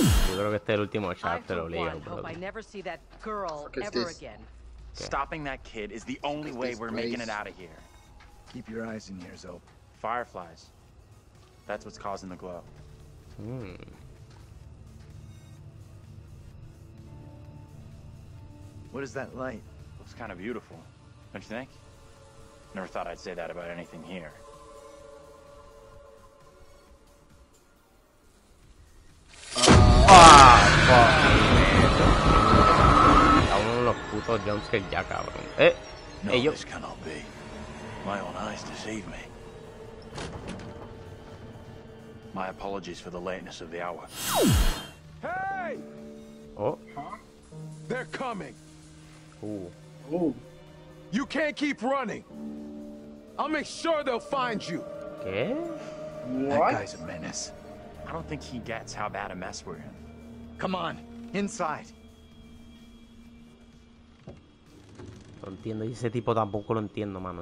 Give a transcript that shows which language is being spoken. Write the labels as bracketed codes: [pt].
[es] Yo creo que este es el último chapter, lo leo, bro. [en] I never see that girl ever again. Stopping that kid is the only way we're making it out of here. Keep your eyes and ears open. Fireflies. That's what's causing the glow. What is that light? Looks kind of beautiful. Don't you think? Never thought I'd say that about anything here. Fuck. No, this cannot be. My own eyes deceive me. My apologies for the lateness of the hour. Hey! Oh. They're coming. Ooh. Ooh. You can't keep running. I'll make sure they'll find you. Okay. What? That guy's a menace. I don't think he gets how bad a mess we're in. Come on, inside. [es] Lo entiendo, y ese tipo tampoco lo entiendo, mano.